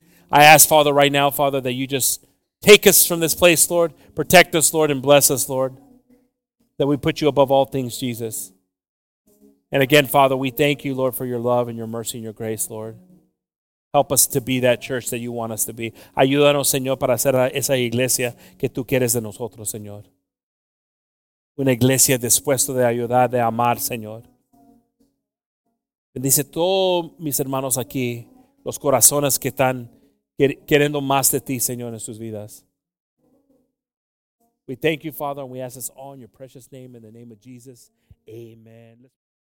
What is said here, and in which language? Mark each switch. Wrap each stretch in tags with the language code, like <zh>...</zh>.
<en>I ask, Father, right now, Father, that you just take us from this place, Lord. Protect us, Lord, and bless us, Lord. That we put you above all things, Jesus. And again, Father, we thank you, Lord, for your love and your mercy and your grace, Lord. Help us to be that church that you want us to be.</en> <es>Ayúdanos, Señor, para ser esa iglesia que tú quieres de nosotros, Señor. Una iglesia dispuesta de ayudar, de amar, Señor. Bendice todos mis hermanos aquí, los corazones que están queriendo más de ti, Señor, en sus vidas.</es> <en>We thank you, Father, and we ask this all in your precious name, in the name of Jesus. Amen.</en>